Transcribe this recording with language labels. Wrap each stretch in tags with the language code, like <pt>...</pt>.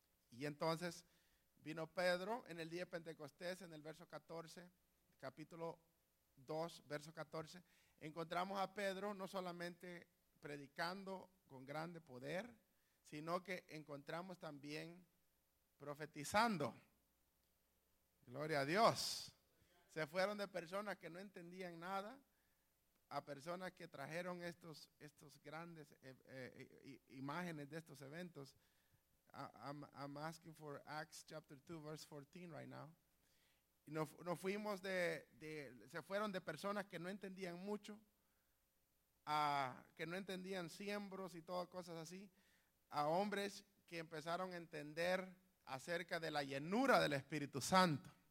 <es>Y entonces vino Pedro en el día de Pentecostés, en el verso 14, capítulo 2, verso 14, encontramos a Pedro no solamente predicando con grande poder, sino que encontramos también profetizando. Gloria a Dios. Se fueron de personas que no entendían nada a personas que trajeron estos grandes imágenes de estos eventos.</es> <en>I'm asking for Acts chapter 2 verse 14 right now.</en> <es>Y nos fuimos se fueron de personas que no entendían mucho, que no entendían siembros y todas cosas así, a hombres que empezaron a entender acerca de la llenura del Espíritu Santo.</es>